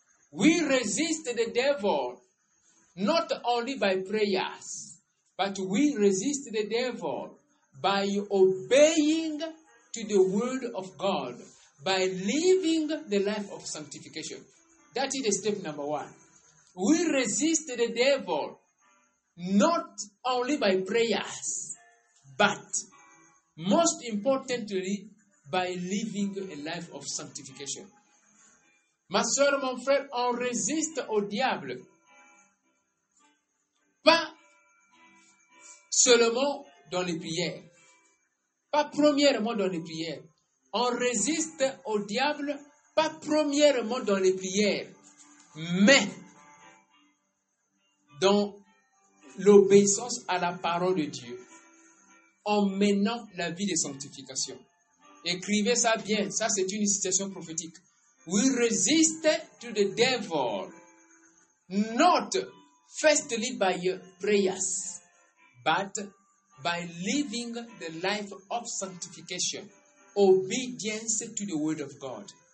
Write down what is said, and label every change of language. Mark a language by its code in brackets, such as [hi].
[en] We resist the devil not only by prayers, but we resist the devil by obeying to the word of God, by living the life of sanctification. That is the step number one. We resist the devil not only by prayers, but most importantly, by living a life of sanctification. [fr] Ma soeur, mon frère, on résiste au diable. Pas seulement dans les prières. Pas premièrement dans les prières. On résiste au diable, pas premièrement dans les prières, mais dans l'obéissance à la parole de Dieu, en menant la vie de sanctification. Écrivez ça bien, ça c'est une citation prophétique. [en] We resist to the devil, not firstly by prayers, but by living the life of sanctification, obedience to the word of God.